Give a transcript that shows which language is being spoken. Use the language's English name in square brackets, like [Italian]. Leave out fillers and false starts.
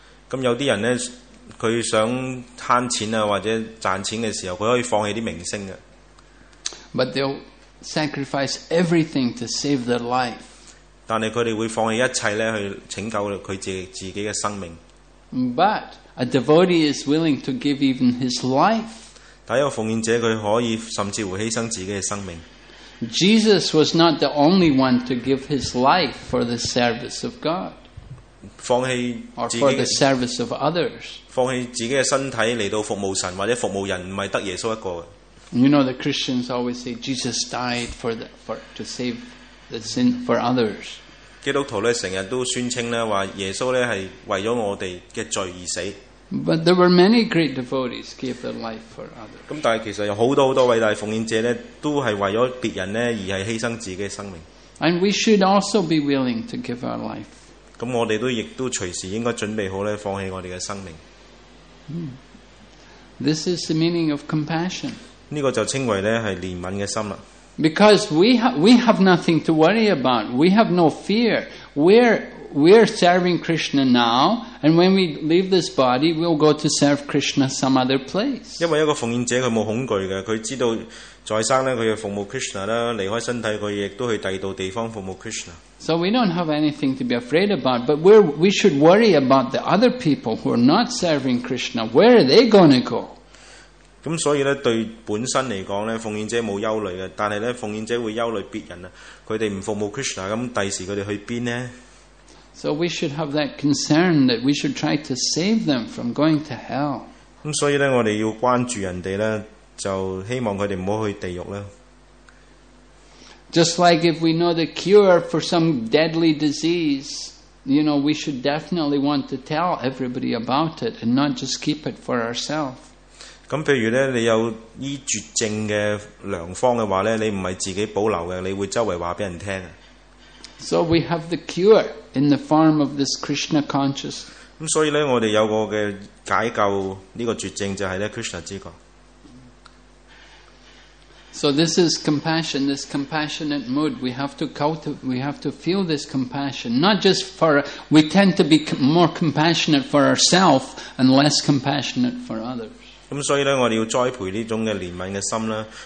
[Cantonese] 咁有啲人咧，佢想慳錢啊，或者賺錢嘅時候，佢可以放棄啲名聲嘅。 [English] But they'll sacrifice everything to save their life. [Cantonese] 但係佢哋會放棄一切咧，去拯救佢自己嘅生命。 [English] But a devotee is willing to give even his life. [Cantonese] 但一個奉獻者，佢可以甚至會犧牲自己嘅生命。 [English] Jesus was not the only one to give his life for the service of God. [Cantonese] 放棄自己 [English] or for the service of others. [Cantonese] 放棄自己嘅身體嚟到服務神或者服務人，唔係得耶穌一個。 [English] You know the Christians always say Jesus died to save the sin for others. [Cantonese] 基督徒咧成日都宣稱咧話耶穌咧係為咗我哋嘅罪而死。 [English] But there were many great devotees give their life for others. [Cantonese] 咁但係其實有好多好多偉大奉獻者咧，都係為咗別人咧而係犧牲自己嘅生命。 [English] And we should also be willing to give our life. [Cantonese] 咁我哋都亦都隨時應該準備好咧，放棄我哋嘅生命。 [English] This is the meaning of compassion. [Cantonese] 呢個就稱為咧係憐憫嘅心啦。 [English] Because we have nothing to worry about. We have no fear. We're serving Krishna now, and when we leave this body, we'll go to serve Krishna some other place. [Cantonese] 因為一個奉獻者佢冇恐懼嘅，佢知道在生咧佢要服務 Krishna 啦，離開身體佢亦都去第二度地方服務 Krishna。 [English] So we don't have anything to be afraid about, but we should worry about the other people who are not serving Krishna. Where are they going to go? [Cantonese] 咁所以咧，對本身嚟講咧，奉獻者冇憂慮嘅，但係咧，奉獻者會憂慮別人啊，佢哋唔服務 Krishna， 咁第時佢哋去邊咧？ [English] So we should have that concern that we should try to save them from going to hell. [Cantonese] 咁所以咧，我哋要關注人哋咧，就希望佢哋唔好去地獄啦。 [English] Just like if we know the cure for some deadly disease, you know, we should definitely want to tell everybody about it and not just keep it for ourselves. [Cantonese] 咁譬如咧，你有醫絕症嘅良方嘅話咧，你唔係自己保留嘅，你會周圍話俾人聽。 [English] So we have the cure in the form of this Krishna consciousness. [Cantonese] 所以咧，我哋有個嘅解救呢個絕症就係咧 Krishna 之覺。 [English] So this is compassion, this compassionate mood. We have to cultivate, we have to feel this compassion. Not just for, we tend to be more compassionate for ourselves and less compassionate for others. [Cantonese] 所以咧，我哋要栽培呢種嘅憐憫嘅心啦。